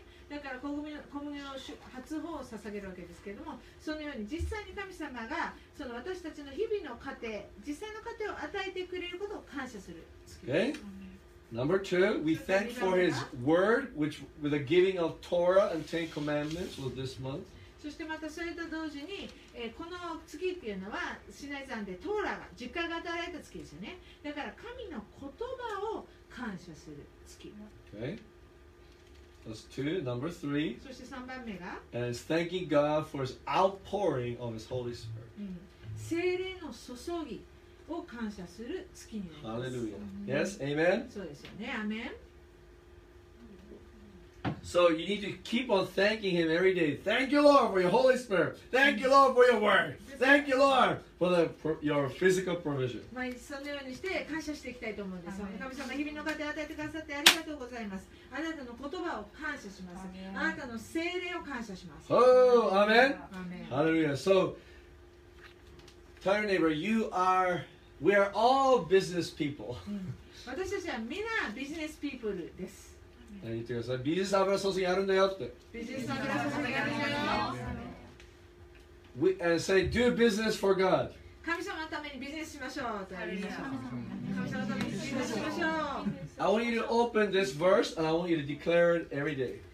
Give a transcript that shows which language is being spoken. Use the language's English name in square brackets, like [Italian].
[Japanese] だから小麦の初穂を捧げるわけですけれども、そのように実際に神様がその私たちの日々の糧、実際の糧を与えてくれることを感謝する月。 [English] Okay. Number two, we thank for his word, which with the giving of Torah and Ten Commandments was this month. [Japanese] そしてまたそれと同時に、この月っていうのはシナイ山でトーラが実家が与えられた月ですよね。だから神の言葉を感謝する月。 [English] OkayThat's two. Number three. [Japanese] そして三番目が。 [English] And it's thanking God for His outpouring of His Holy Spirit. [Japanese] 聖霊の注ぎを感謝する月になります。 [English] Hallelujah. Yes. Amen. [Japanese] そうですよね。Amen. [English] So you need to keep on thanking Him every day. Thank you, Lord, for Your Holy Spirit. Thank you, Lord, for Your Word. Thank you, Lord, for your physical provision. [Japanese] まあ、そのようにして感謝していきたいと思うんです。神様、日々の糧を与えてくださってありがとうございます。あなたの言葉を感謝します。あなたの聖霊を感謝します。 [English] Oh, amen. Amen. Hallelujah. So, tell your neighbor, we are all business people. [Japanese] 私たちはみんなビジネスピープルです。言ってください、ビジネス油注ぎあるんだよって。ビジネス油注ぎあるんだよ。 [English] We, and say do business for God. [Japanese] 神様のためにビジネスしましょう。神様のためにビジネスしましょう。 [English] I want you to open this verse and I want you to declare it every day.